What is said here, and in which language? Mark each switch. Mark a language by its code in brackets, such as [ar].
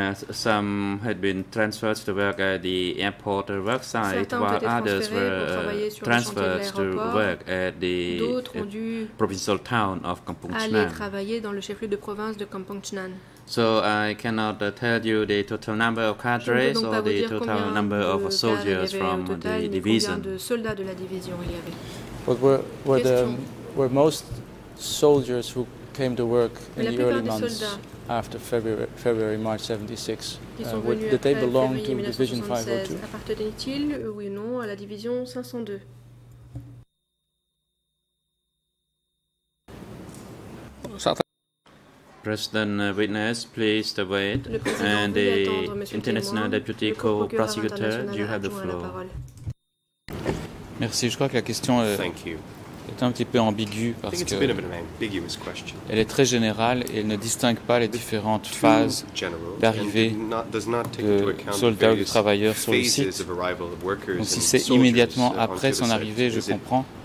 [en] Some had been transferred to work at the airport work site, while others were transferred to work at the provincial town of Kampong Chinan. [fr] Aller travailler dans le chef-lieu de province de Kampong Chinan. [en] So I cannot tell you the total number of cadres or the total number of soldiers from the division. [fr] De soldats de la division il y avait. [en] But were most soldiers who came to work in the early months after February, March 76, did they belong to Division 502? [fr] Appartenaient-ils, oui ou non, à la Division 502? [en] President, witness, please wait. And the international deputy co-prosecutor, you have the floor. [fr] Merci. Je crois que la question est un petit peu ambiguë parce que elle est très générale et elle ne distingue pas les différentes phases d'arrivée de soldats ou de travailleurs sur le site. Donc, si c'est immédiatement après son arrivée, je comprends.